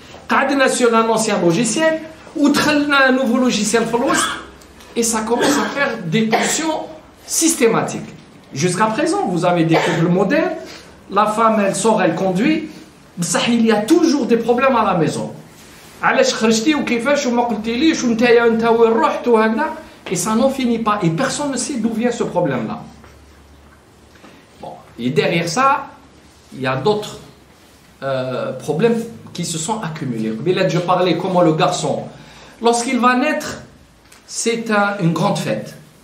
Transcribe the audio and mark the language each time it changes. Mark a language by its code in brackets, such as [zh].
[fr] Quand on a sur un ancien logiciel, ou on a un nouveau logiciel, et ça commence à faire des tensions systématiques. Jusqu'à présent, vous avez des troubles modernes, la femme elle sort, elle conduit, بصح il y a toujours des problèmes à la maison. [ar] علاش خرجتي وكيفاش وما قلتليش ونتايا انت وين رحت وهكذا. [fr] Et ça n'en finit pas. Et personne ne sait d'où vient ce problème-là. Bon. Et derrière ça, il y a d'autres problèmes qui se sont accumulés. Là, je parlais comment le garçon, lorsqu'il va naître, c'est une grande fête.